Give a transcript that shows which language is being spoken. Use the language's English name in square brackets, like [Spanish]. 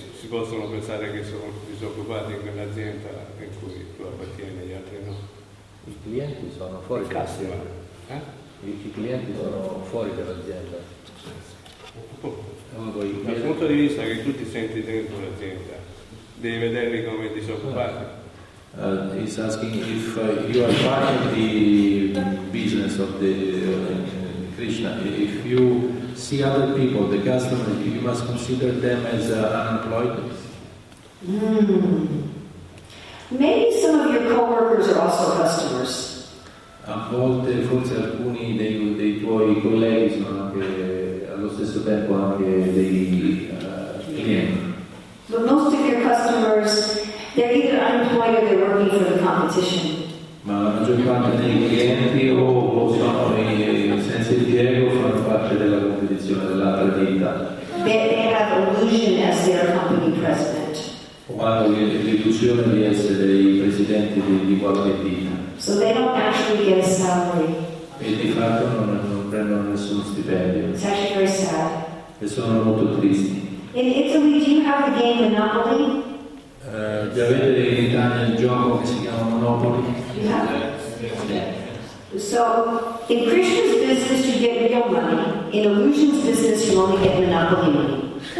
[Italian] si possono pensare che sono disoccupati in quell'azienda in cui tu appartieni, gli altri no. I clienti sono fuori dall'azienda. I clienti sono fuori dall'azienda. Dal punto di vista che tu ti senti dentro l'azienda, devi vederli come disoccupati. [English] He's asking if you are part of the business of the Krishna. If you see other people, the customers, you must consider them as unemployed. Maybe some of your coworkers are also customers. [Italian] A volte forse alcuni dei tuoi colleghi sono anche allo stesso tempo anche dei clienti. [English] But most of your customers, they're either unemployed or they're working for the competition. [Italian] Ma la maggior parte dei clienti o sono senza impiego o fanno parte della competizione dell'altra attività. [English] They have illusion as their company president. [Italian] O hanno l'illusione di essere i presidenti di qualche attività. [English] So they don't actually get a salary. [Italian] E di fatto non prendono nessun stipendio. [English] It's actually very sad. [Italian] E sono molto tristi. [English] In Italy, do you have the game Monopoly? [Italian] Già avete in Italia il gioco che si chiama Monopoli? [English] Yeah. So in Krishna's business you get real money. In illusion's business you only get monopoly money.